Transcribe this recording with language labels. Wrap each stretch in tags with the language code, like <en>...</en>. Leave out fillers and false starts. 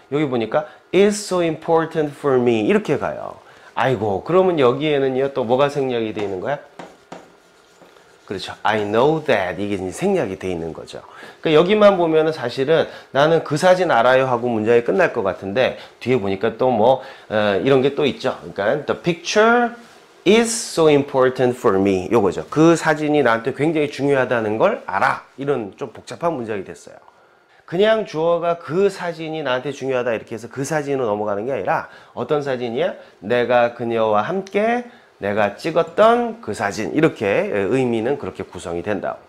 <ko>여기 보니까</ko> <en>It's so important for me.</en> <ko>이렇게 가요. 아이고 그러면 여기에는요. 또 뭐가 생략이 되어 있는 거야? 그렇죠.</ko> <en>I know that.</en> <ko>이게 생략이 되어 있는 거죠. 그러니까 여기만 보면은 사실은 나는 그 사진 알아요 하고 문장이 끝날 것 같은데 뒤에 보니까 또 뭐 이런 게 또 있죠. 그러니까</ko> <en>the picture is so important for me.</en> <ko>요거죠. 그 사진이 나한테 굉장히 중요하다는 걸 알아. 이런 좀 복잡한 문장이 됐어요. 그냥 주어가 그 사진이 나한테 중요하다 이렇게 해서 그 사진으로 넘어가는 게 아니라 어떤 사진이야? 내가 그녀와 함께 내가 찍었던 그 사진 이렇게 의미는 그렇게 구성이 된다.</ko>